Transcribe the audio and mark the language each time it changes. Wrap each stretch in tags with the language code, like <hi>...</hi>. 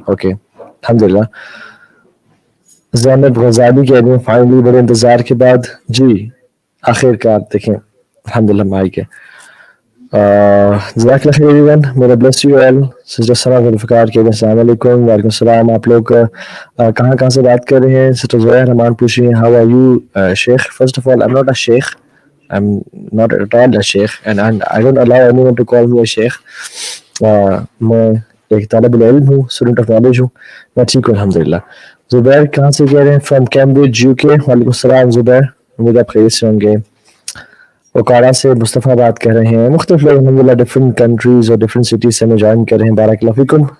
<ur>Okay الحمد للہ. زینب غزالی کہہ رہی ہیں فائنلی بڑے انتظار کے بعد جی آخر کار دیکھیں الحمد للہ مائی کے. جزاک اللہ خیر</ur> <en>Everyone. میرا bless you all.</en> <ur>سسٹر سنا ذوالفقار کہہ رہے ہیں السلام علیکم. وعلیکم السلام. آپ لوگ کہاں کہاں سے بات کر رہے ہیں؟ سسٹر زویا رحمان پوچھ رہی ہیں</ur> <en>How are you sheikh. First of all I am not a sheikh. I'm not at all a sheikh and I don't allow anyone to call me a sheikh.</en> <ur>میں ایک طالب العلم ہوں,</ur> <en>student of knowledge</en> <ur>ہوں. میں ٹھیک ہوں الحمدللہ. زبیر کہاں سے کہہ رہے ہیں؟</ur> <en>From Cambridge U K.</en> <ur>وعلیکم السلام زبیر, امید آپ خیریت سے ہوں گے. اوکارا سے مصطفیٰ بات کہہ رہے ہیں. مختلف لوگ الحمد للہ ڈفرنٹ کنٹریز اور ڈفرنٹ سٹیز سے ہمیں جوائن کر رہے ہیں. بارک اللہ فیکم.</ur>